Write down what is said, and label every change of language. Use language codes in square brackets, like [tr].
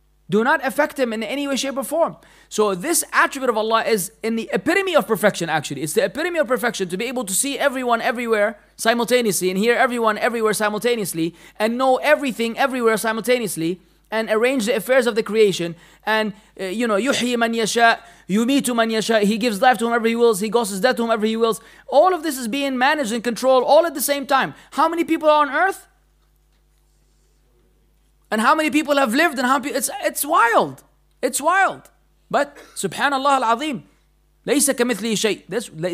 [en] Do not affect Him in any way, shape, or form. So this attribute of Allah is in the epitome of perfection, actually. It's the epitome of perfection to be able to see everyone everywhere simultaneously and hear everyone everywhere simultaneously and know everything everywhere simultaneously and arrange the affairs of the creation. [ar] And, you know, يُحْيِي مَنْ يَشَاءُ يُمِيتُ مَنْ يَشَاءُ. [en] He gives life to whomever He wills. He causes death to whomever He wills. All of this is being managed and controlled all at the same time. How many people are on earth? And how many people have lived? And how many, it's wild. It's wild. But subhanallah al-azim, laysa kamithlihi shay.